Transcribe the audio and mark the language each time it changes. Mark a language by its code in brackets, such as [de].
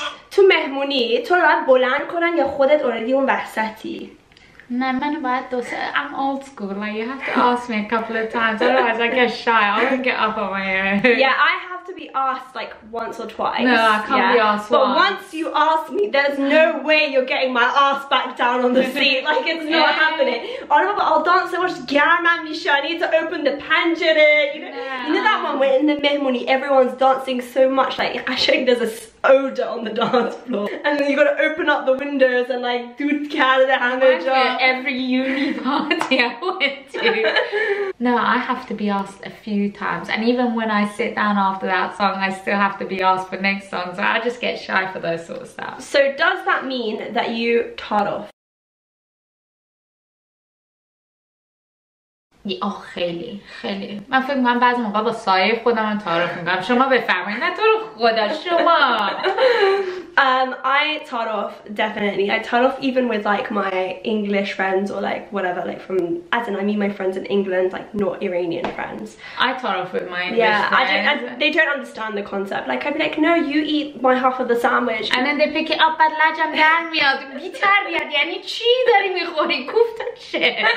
[fa] تو مهمونی تو رو باید بلند کنن یا خودت اوردی اون وسطی؟ نه من باید دوست [en] I'm old school. Like you have to ask me a couple of times. Otherwise I get shy. I won't get up on my own. Yeah, I have to be asked like once or twice. No, I can't be asked once. But once you ask me, there's no way you're getting my ass back down on the seat. Like it's not happening. Oh no, but I'll dance so much. [fa] Garman Misha, [en] I need to open the panjere. You know that one where in the mehmuni everyone's dancing so much. Like actually, there's a odor on the dance floor, and then you gotta open up the windows and like do care of the hammer job. Every uni party I went to. No, I have to be asked a few times, and even when I sit down after that song, I still have to be asked for next song. So I just get shy for those sort of stuff. So does that mean that you tart off? [fa] آه خیلی خیلی من فکر من بعضی موقع با سایه خودم تعارف میکنم شما بفهمید نه تو رو خدا شما [en] I tart-off, definitely. I tart-off even with like my English friends or like whatever, like from, I don't know, I meet my friends in England, like not Iranian friends. I tart-off with my English friends. They don't understand the concept. Like I'd be like, no, you eat my half of the sandwich. And then they pick it up, but [fa] لجم در میاد. بی تربیت یعنی چی داری میخوری؟ کوفتن چه؟